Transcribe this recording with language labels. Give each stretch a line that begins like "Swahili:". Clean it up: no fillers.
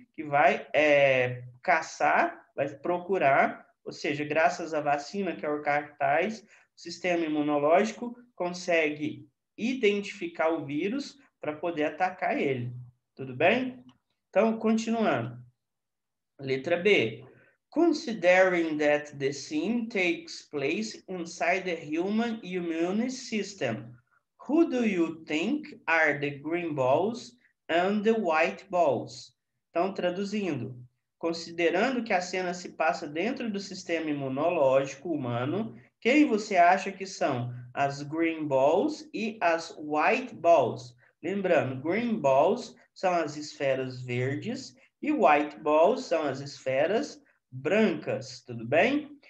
Portuguese: Que vai caçar, vai procurar, ou seja, graças à vacina, que é o cartaz, o sistema imunológico consegue identificar o vírus para poder atacar ele, tudo bem? Então, continuando. Letra B.
English: Considering that the scene takes place inside the human immune system, who do you think are the green balls and the white balls?
Portuguese: Então, traduzindo, considerando que a cena se passa dentro do sistema imunológico humano Quem você acha que são as green balls e as white balls? Lembrando, green balls são as esferas verdes e white balls são as esferas brancas, tudo bem?